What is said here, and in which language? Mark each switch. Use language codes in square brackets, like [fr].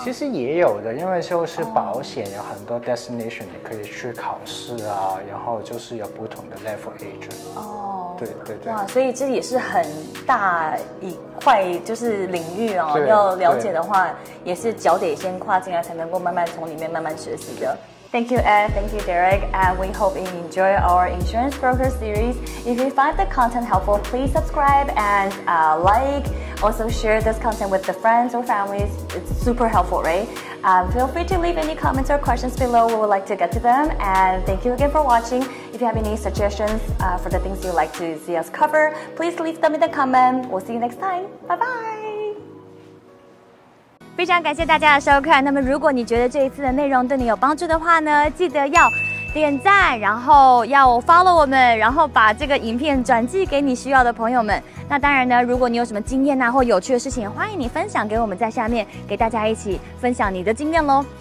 [zh] 其实也有的，因为就是保险有很多 destination 你可以去考试啊，然后就是有不同的 level agent。对对对，哇，所以这也是很大一块就是领域哦，要了解的话也是脚得先跨进来才能够慢慢从里面慢慢学习的。 [en] Thank you, Ed. Thank you, Derrick. And we hope you enjoy our insurance broker series. If you find the content helpful, please subscribe and like. Also share this content with the friends or families. It's super helpful, right? Feel free to leave any comments or questions below. We would like to get to them. And thank you again for watching. If you have any suggestions for the things you'd like to see us cover, please leave them in the comment. We'll see you next time. Bye-bye. [zh] 非常感谢大家的收看。那么如果你觉得这一次的内容对你有帮助的话呢，记得要点赞，然后要 follow 我们，然后把这个影片转寄给你需要的朋友们。那当然呢，如果你有什么经验啊或有趣的事情，欢迎你分享给我们，在下面给大家一起分享你的经验咯。